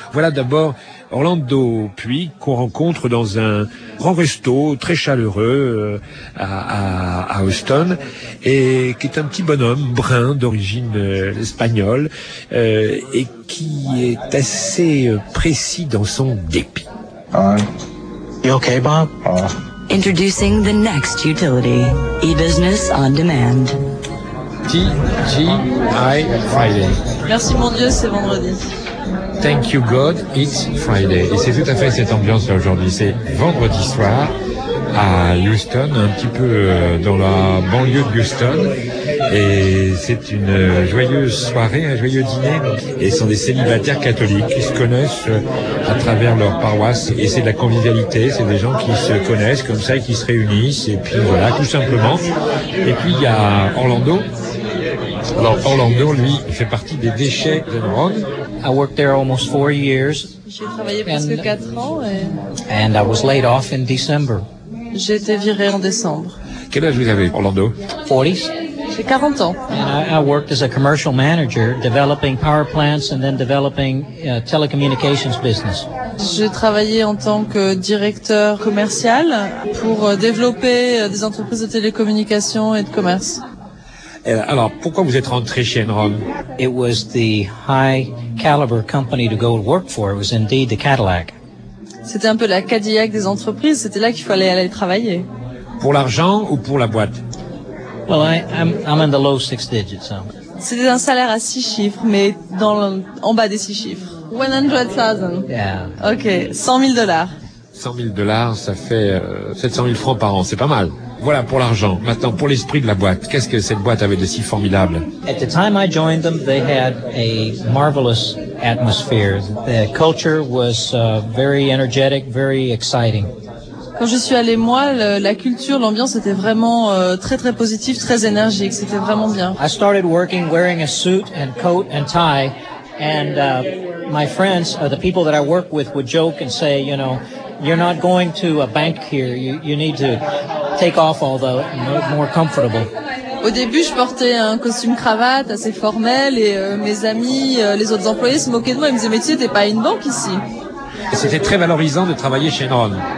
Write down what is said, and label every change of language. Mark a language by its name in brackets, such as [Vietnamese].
[French] Voilà d'abord Orlando Puig, qu'on rencontre dans un grand resto très chaleureux à Houston, et qui est un petit bonhomme brun d'origine espagnole et qui est assez précis dans son dépit. [English] You okay, Bob? Introducing the next utility, e-business on demand. TGI Friday. [French] Merci mon Dieu, c'est vendredi. [English] Thank you God, it's Friday. [French] Et c'est tout à fait cette ambiance aujourd'hui. C'est vendredi soir à Houston, un petit peu dans la banlieue de Houston. Et c'est une joyeuse soirée, un joyeux dîner. Et ce sont des célibataires catholiques qui se connaissent à travers leur paroisse. Et c'est de la convivialité. C'est des gens qui se connaissent comme ça et qui se réunissent. Et puis voilà, tout simplement. Et puis il y a Orlando. Alors Orlando, lui, il fait partie des déchets de Ron. [English] I worked there almost 4 years. [French] J'ai travaillé presque 4 ans. [English] And I was laid off in December. [French] J'ai été viré en décembre. Quel âge vous avez, Orlando? [English] 40s. [French] J'ai 40 ans. [English] And I worked as a commercial manager, developing power plants and then developing telecommunications business. [French] J'ai travaillé en tant que directeur commercial pour développer des entreprises de télécommunications et de commerce. Alors, pourquoi vous êtes rentré chez Enron? [English] It was the high caliber company to go work for. It was indeed the Cadillac. [French] C'était un peu la Cadillac des entreprises. C'était là qu'il fallait aller travailler. Pour l'argent ou pour la boîte? [English] Well, I'm in the low six digits. So. [French] C'était un salaire à six chiffres, mais dans le, en bas des six chiffres. [English] 100,000. Yeah. OK. $100,000. [French] $100,000, ça fait 700 000 francs par an. C'est pas mal. Voilà pour l'argent. Maintenant, pour l'esprit de la boîte, qu'est-ce que cette boîte avait de si formidable? [English] At the time I joined them, they had a marvelous atmosphere. The culture was very energetic, very exciting. [French] Quand je suis allé, moi, la culture, l'ambiance était vraiment très, très positive, très énergique. C'était vraiment bien. [English] I started working wearing a suit and coat and tie. And my friends, the people that I work with, would joke and say, you know, you're not going to a bank here. You need to take off all the more comfortable. [French] Au début, je portais un costume cravate assez formel et mes amis, les autres employés se moquaient de moi. Ils me disaient, mais tu n'es pas une banque ici. Et c'était très valorisant de travailler chez Enron.